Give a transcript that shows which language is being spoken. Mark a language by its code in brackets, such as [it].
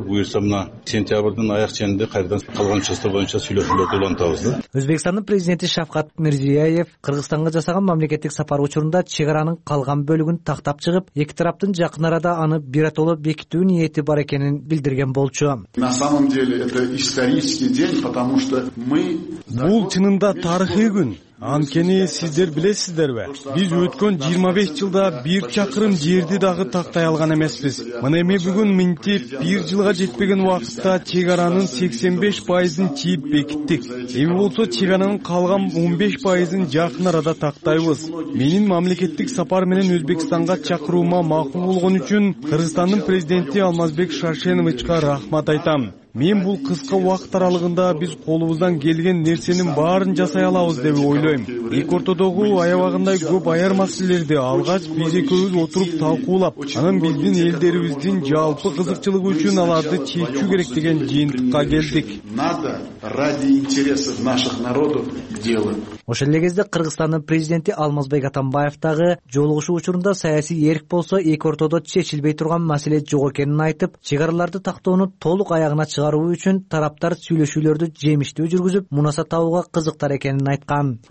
[ky] Буюрса мына сентябрдын аяк ченинде кайрадан калган участок боюнча сүйлөшүүлөрдү улантабыз да. Өзбекстандын президенти Шавкат Мирзиёев Кыргызстанга жасаган мамлекеттик сапары учурунда чегаранын калган бөлүгүн тактап чыгып, эки тараптын жакын арада аны биротоло бекитүү ниети бар экенин билдирген болчу. [ru] На самом деле это исторический день, потому что мы [ky] Бул чынында тарыхый күн. Анткени сиздер билесиздерби? Биз өткөн 25 жылда бир чакырым жерди дагы тактай алган эмеспиз. Мына эми бүгүн минти бир жылга жетпеген убакытта чегаранын 85% чийип бекиттик. Эми болсо чегаранын калган 15% жакын арада тактайбыз. Менин мамлекеттик сапар менен Өзбекстанга чакырууума макул болгон үчүн Кыргызстандын президенти Алмазбек Шаршеновичке рахмат айтам. Мен бул кыска убакыт аралыгында биз колубуздан келген нерсенин баарын жасай алабыз деп ойлойм. Эки ортодогу аябагындай көп аяр маселелерди алгач биз экөөбүз отуруп талкуулап, анан биздин элдерибиздин жалпы кызыкчылыгы үчүн аларды чечүү керек деген жыйынтыкка келдик. [ru] Надо ради интересов наших народов делать. [ky] Ошол эле кезде Кыргызстандын президенти Алмазбек Атамбаев дагы жолугушуу учурунда саясий эрк болсо эки ортодо чечилбей турган маселе жок экенин айтып, чегараларды тактоону толук аягына чыгаруу үчүн тараптар сүйлөшүүлөрдү жемиштүү жүргүзүп, мунасат табууга кызыктар экенин айткан.